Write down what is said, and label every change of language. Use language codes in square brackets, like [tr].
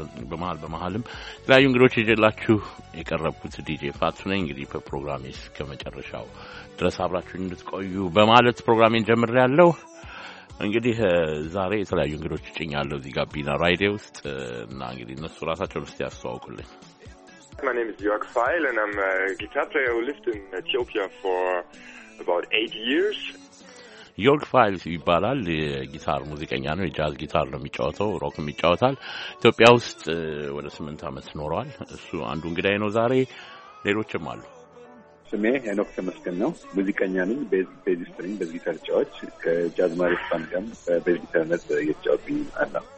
[am] በመሀልም የተለያዩ እንግዶች ይዤላችሁ የቀረብኩት ዲጄ ፋቱ ነኝ። እንግዲህ በፕሮግራሜ እስከ መጨረሻው ድረስ አብራችሁ እንድትቆዩ በማለት ፕሮግራሜን ጀምሬያለሁ። እንግዲህ ዛሬ የተለያዩ እንግዶች እጭኛለሁ እዚህ ጋቢና ራይዴ ውስጥ እና እንግዲህ እነሱ ራሳቸውን እስቲ ያስተዋውቁልኝ። [en] My name is Jörg Feil and I'm a guitar player who lived in Ethiopia for about 8 years. [am] ዮርግ ፋይልስ ይባላል። የጊታር ሙዚቀኛ ነው። የጃዝ ጊታር ነው የሚጫወተው፣ ሮክም ይጫወታል። ኢትዮጵያ ውስጥ ወደ 8 ዓመት ኖሯል። እሱ አንዱ እንግዳዬ ነው ዛሬ። ሌሎችም አሉ። ስሜ ሄኖክ ተመስገን ነው። ሙዚቀኛ ነኝ። ቤዚስት ነኝ። በጊታር ጫዋች ከጃዝ ማሪስ ፋንጋም በቤዚስትነት እየተጫወትኝ አለ።